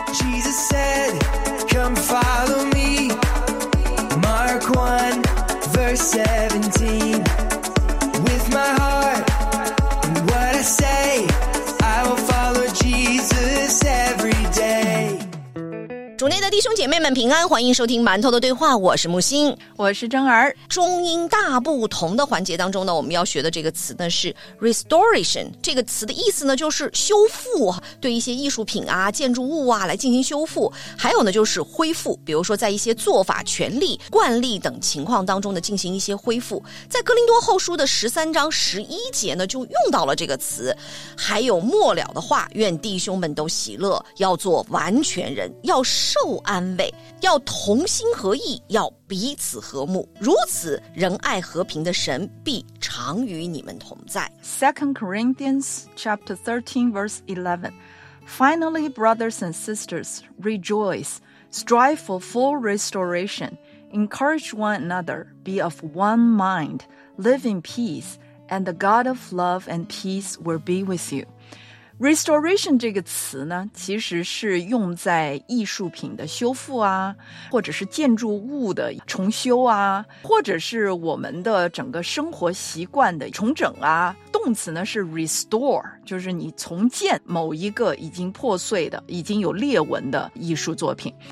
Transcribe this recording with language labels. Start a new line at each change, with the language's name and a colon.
English: Jesus said, come follow me. Mark 1, verse 17. With my heart and what I say, I will follow Jesus every day.
Chinese: 主内的弟兄姐妹们平安，欢迎收听馒头的对话，我是木星，我是真儿。中英大不同的环节当中呢，我们要学的这个词呢是 restoration， 这个词的意思呢就是修复，对一些艺术品啊、建筑物啊来进行修复，还有呢就是恢复，比如说在一些做法、权利、惯例等情况当中呢进行一些恢复。在哥林多后书的13章11节呢就用到了这个词，还有末了的话，愿弟兄们都喜乐，要做完全人，要受安慰，要同心合意，要彼此和睦，如此仁爱和平的神必常与你们同在。
English: 2 Corinthians chapter 13 verse 11 Finally, brothers and sisters, rejoice, strive for full restoration, encourage one another, be of one mind, live in peace, and the God of love and peace will be with you.
Chinese: Restoration 这个词呢，其实是用在艺术品的修复啊，或者是建筑物的重修啊，或者是我们的整个生活习惯的重整啊。动词呢是 restore， 就是你重建某一个已经破碎的、已经有裂纹的艺术作品。